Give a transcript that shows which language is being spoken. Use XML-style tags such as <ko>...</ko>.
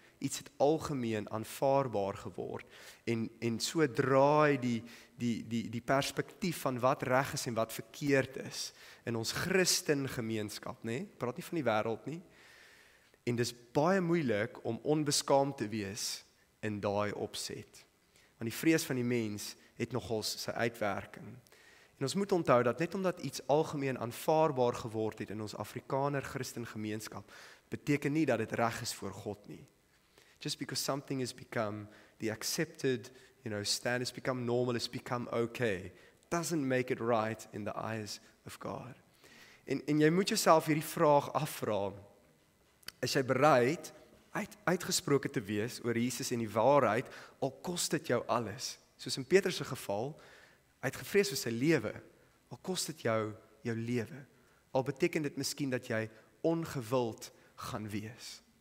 <af>iets het algemeen aanvaarbaar geword. En so draai die perspektief van wat reg is en wat verkeerd is in ons Christen gemeenskap, nee, praat nie van die wêreld nie. En dis baie moeilik om onbeskaamd te wees in daai opset. Want die vrees van die mens het nogals sy uitwerking. En ons moet onthou dat net omdat iets algemeen aanvaarbaar geword het in ons Afrikaner Christen gemeenskap, beteken nie dat dit reg is voor God nie.</af> <en>Just because something has become the accepted, you know, standard, has become normal, has become okay, doesn't make it right in the eyes of God.</en> <af>En jy moet jouself hierdie vraag afvra, is jy bereid uitgesproke te wees oor Jesus en die waarheid, al kos dit jou alles? Soos in Petrus se geval, hy het gevrees vir sy lewe, al kos dit jou lewe, al beteken dit miskien dat jy ongewild gaan wees.</af>